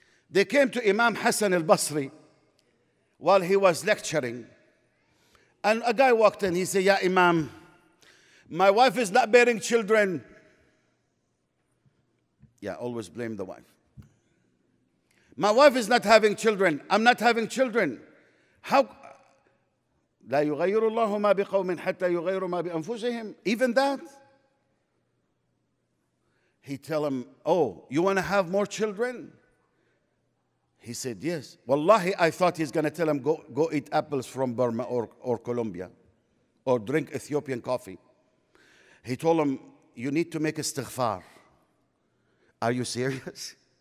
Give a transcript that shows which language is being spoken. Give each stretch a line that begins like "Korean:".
English: They came to Imam Hassan al-Basri while he was lecturing, and a guy walked in. He said, Ya Imam, my wife is not bearing children. Yeah, always blame the wife. My wife is not having children. I'm not having children. How?
Arabic: لا يغير الله ما بقوم حتى يغير ما بأنفسهم.
English: Even that? He tell him, oh, you want to have more children? He said, yes. Wallahi, I thought he's going to tell him, go eat apples from Burma or Colombia or drink Ethiopian coffee. He told him, you need to make istighfar. Are you serious?